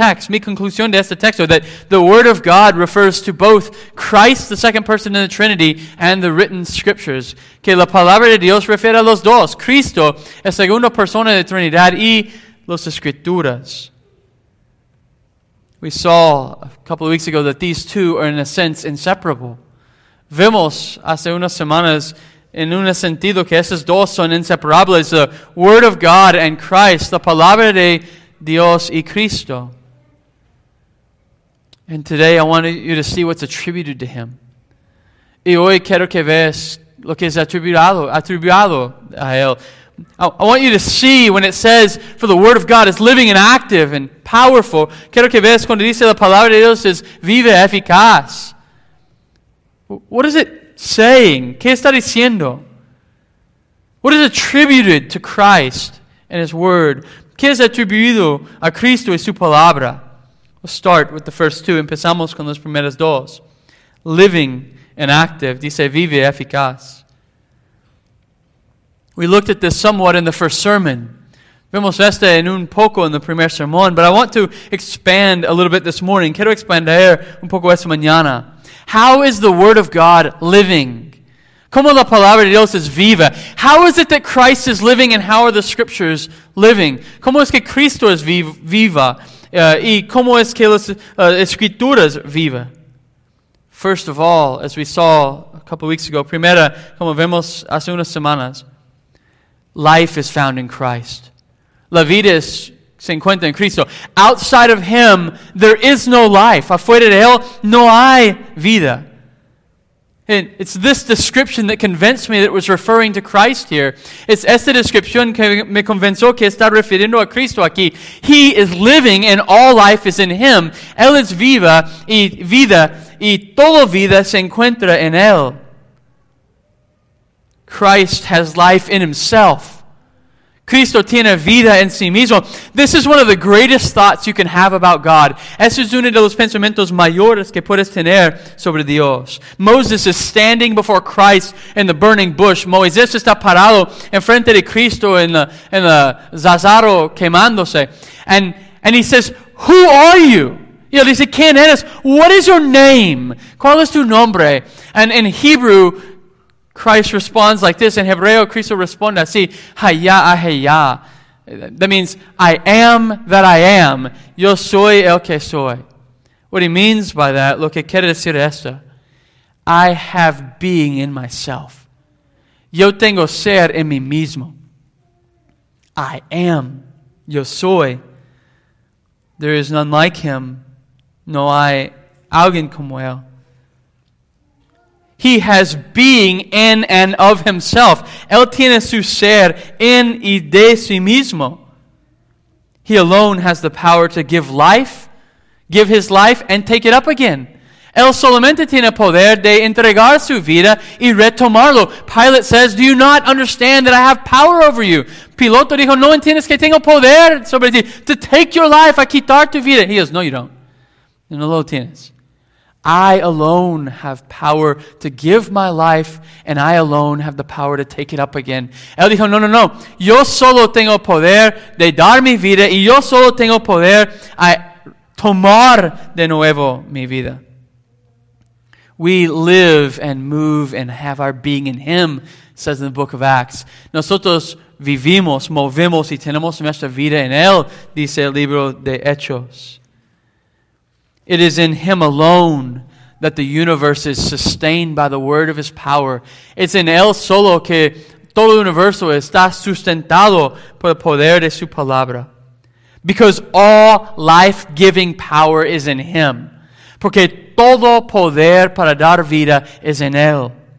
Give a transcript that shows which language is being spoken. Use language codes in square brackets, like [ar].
[es] Mi conclusión de este texto, [en] that the Word of God refers to both Christ, the second person in the Trinity, and the written Scriptures. [es] Que la palabra de Dios refiere a los dos. Cristo es segunda persona de Trinidad y los Escrituras. [en] We saw a couple of weeks ago that these two are in a sense inseparable. [es] Vimos hace unas semanas en un sentido que esos dos son inseparables. [en] The Word of God and Christ, [es] la palabra de Dios y Cristo. [en] And today I want you to see what's attributed to him. [es] Y hoy quiero que veas lo que es atribuido a él. [en] I want you to see when it says, for the word of God is living and active and powerful. [es] Quiero que veas cuando dice la palabra de Dios es viva, eficaz. [en] What is it saying? [es] ¿Qué está diciendo? [en] What is attributed to Christ and his word? [es] ¿Qué es atribuido a Cristo y su palabra? [en] We'll start with the first two. [es] Empezamos con las primeras dos. [en] Living and active. [es] Dice, vive eficaz. [en] We looked at this somewhat in the first sermon. [es] Vemos este en un poco en el primer sermón. [en] But I want to expand a little bit this morning. [es] Quiero expandir un poco esta mañana. [en] How is the Word of God living? [es] ¿Cómo la palabra de Dios es viva? [en] How is it that Christ is living and how are the scriptures living? [es] ¿Cómo es que Cristo es viva? ¿Y cómo es que las escrituras viva? [en] First of all, as we saw a couple weeks ago, [es] primera, como vemos hace unas semanas, [en] life is found in Christ. [es] La vida es, se encuentra en Cristo. [en] Outside of him, there is no life. [es] Afuera de él, no hay vida. [en] And it's this description that convinced me that it was referring to Christ here. [es] It's esta descripción que me convenció que está refiriendo a Cristo aquí. [en] He is living and all life is in him. [es] Él es viva y vida y toda vida se encuentra en él. [en] Christ has life in himself. [es] Cristo tiene vida en sí mismo. [en] This is one of the greatest thoughts you can have about God. [es] Ese es uno de los pensamientos mayores que puedes tener sobre Dios. [en] Moses is standing before Christ in the burning bush. [es] Moisés está parado en frente de Cristo en la zarzaro quemándose. [en] And he says, who are you? [es] Y él dice, ¿quién eres? [en] What is your name? [es] ¿Cuál es tu nombre? [en] And in Hebrew, Christ responds like this. [es] In Hebreo, Cristo responde así. [en] Haya, haya. That means, I am that I am. [es] Yo soy el que soy. [en] What he means by that, [es] lo que quiere decir esto. [en] I have being in myself. [es] Yo tengo ser en mí mismo. [en] I am. [es] Yo soy. [en] There is none like him. [es] No hay alguien como él. [en] He has being in and of himself. [es] Él tiene su ser en y de sí mismo. [en] He alone has the power to give life, give his life, and take it up again. [es] Él solamente tiene poder de entregar su vida y retomarlo. [en] Pilate says, do you not understand that I have power over you? [es] Piloto dijo, no entiendes que tengo poder sobre ti [en] to take your life, [es] a quitar tu vida. [en] He goes, no, you don't. [es] No lo tienes. [en] I alone have power to give my life, and I alone have the power to take it up again. [es] Él dijo, no, no, no. Yo solo tengo poder de dar mi vida, y yo solo tengo poder a tomar de nuevo mi vida. [en] We live and move and have our being in him, says in the book of Acts. [es] Nosotros vivimos, movemos, y tenemos nuestra vida en él, dice el libro de Hechos. [en] It is in him alone that the universe is sustained by the word of his power. It's in [es] él solo que todo el universo está sustentado por el poder de su palabra. [en] Because all life-giving power is in Him. [es] Porque todo poder para dar vida es en Él.